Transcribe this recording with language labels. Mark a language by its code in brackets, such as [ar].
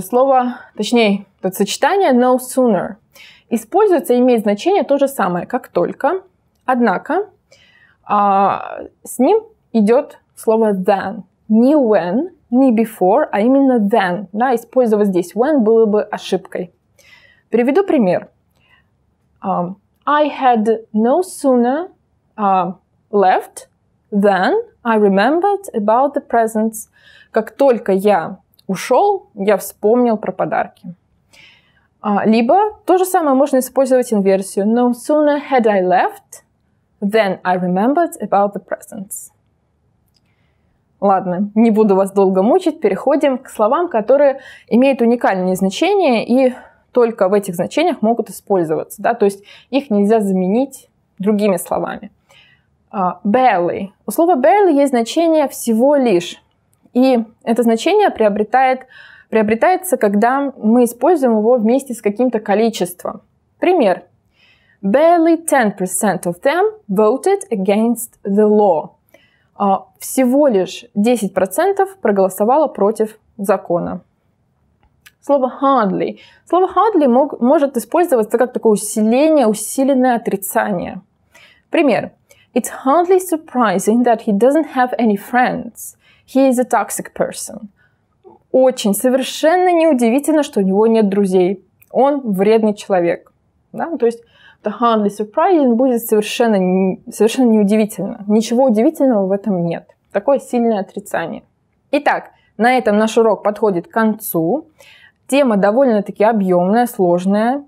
[ru] Слово, точнее, тут сочетание no sooner используется и имеет значение то же самое, как только. Однако с ним идет слово than. Не when, не before, а именно then. Да, использовать здесь when было бы ошибкой. Приведу пример. [en] I had no sooner left than I remembered about the presents. [ru] Как только я ушел, я вспомнил про подарки. Либо то же самое можно использовать инверсию. [en] No sooner had I left than I remembered about the presents. [ru] Ладно, не буду вас долго мучить, переходим к словам, которые имеют уникальные значения и только в этих значениях могут использоваться, да, то есть их нельзя заменить другими словами. [en] Barely. [ru] У слова barely есть значение всего лишь, и это значение приобретается, когда мы используем его вместе с каким-то количеством. Пример. [en] Barely 10% of them voted against the law. [ru] Всего лишь 10% проголосовало против закона. Слово hardly. Слово hardly может использоваться как такое усиление, усиленное отрицание. Пример. [en] It's hardly surprising that he doesn't have any friends. He is a toxic person. [ru] Очень, совершенно неудивительно, что у него нет друзей. Он вредный человек. Да? То есть [en] hardly surprising [ru] будет совершенно неудивительно. Ничего удивительного в этом нет. Такое сильное отрицание. Итак, на этом наш урок подходит к концу. Тема довольно-таки объемная, сложная.